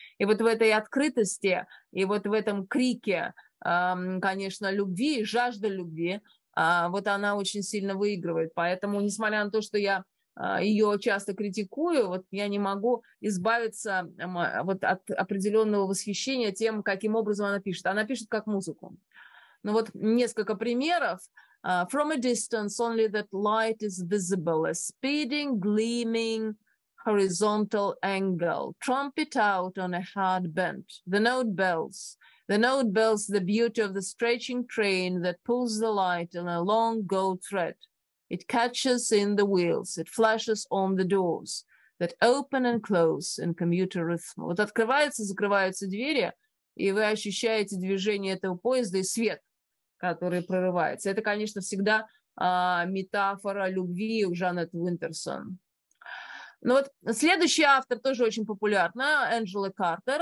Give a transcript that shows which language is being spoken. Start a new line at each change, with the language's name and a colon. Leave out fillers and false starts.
Russian: И вот в этой открытости, и вот в этом крике, конечно, любви, жажда любви, вот она очень сильно выигрывает. Поэтому, несмотря на то, что я ее часто критикую, вот я не могу избавиться вот от определенного восхищения тем, каким образом она пишет. Она пишет как музыку. Ну вот несколько примеров.
English: From a distance, only that light is visible, a speeding, gleaming horizontal angle, trumpet out on a hard bend, the note bells, the beauty of the stretching train that pulls the light on a long gold thread. It catches in the wheels, it flashes on the doors that open and close in commuter rhythm.
Russian: Вот открываются, закрываются двери, и вы ощущаете движение этого поезда и свет, который прорывается. Это, конечно, всегда метафора любви у Жанет Уинтерсон. Ну вот следующий автор тоже очень популярна, Анжела Картер.